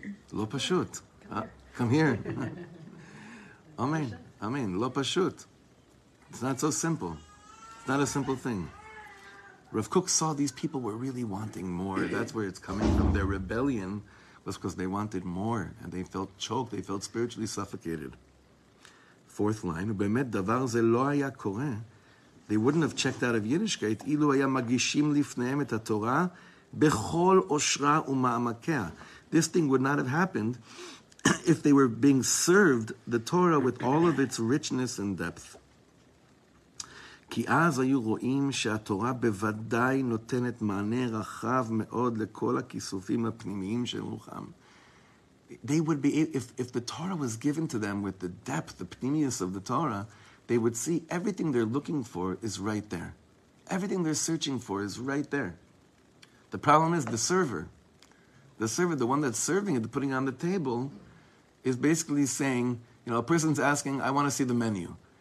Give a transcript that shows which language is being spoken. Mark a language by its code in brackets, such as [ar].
[he] Lo pashut. [en] Come here. Amen. [he] Lo pashut. [en] It's not so simple. It's not a simple thing. Rav Kook saw these people were really wanting more. That's where it's coming from. Their rebellion was because they wanted more, and they felt choked. They felt spiritually suffocated. Fourth line, [he] ובאמת דבר זה לא היה קורה. [en] They wouldn't have checked out of Yiddishkeit [he] אילו היה מגישים לפניהם את התורה בכל עושרה ומעמקיה. [en] This thing would not have happened if they were being served the Torah with all of its richness and depth. [he] כי אז היו רואים שהתורה בוודאי נותנת מענה רחב מאוד לכל הכיסופים הפנימיים של רוחם. [en] They would be, if the Torah was given to them with the depth, the pnimius of the Torah, they would see everything they're looking for is right there. Everything they're searching for is right there. The problem is the server. The server, the one that's serving it, putting it on the table, is basically saying, you know, a person's asking, I want to see the menu.